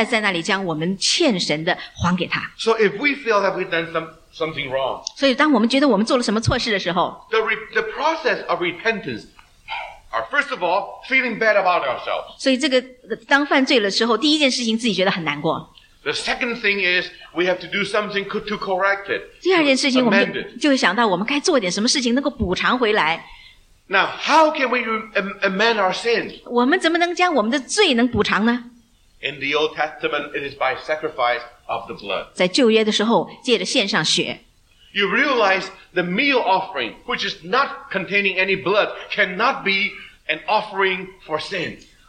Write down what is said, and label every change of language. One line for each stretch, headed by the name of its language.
Chinese: 你知道，当我们来到神面前的时候，我们实在在那里将我们欠神的还给他。
English: So if we feel that we've done something wrong,
Chinese: 所以当我们觉得我们做了什么错事的时候，
English: the process of repentance are first of all feeling bad about ourselves.
Chinese: 所以这个当犯罪了之后，第一件事情自己觉得很难过。
English: The second thing is we have to do something to correct it.
Chinese: 第二件事情，我们就会想到我们该做点什么事情能够补偿回来。
English: Now, how can we amend our sin?
Chinese: 我们怎么能将我们的罪能补偿呢？
English: In the Old Testament, it is by sacrifice of the blood.
Chinese: 在旧约的时候，借着献上血。
English: You realize the meal offering, which is not containing any blood, cannot be an offering for sin.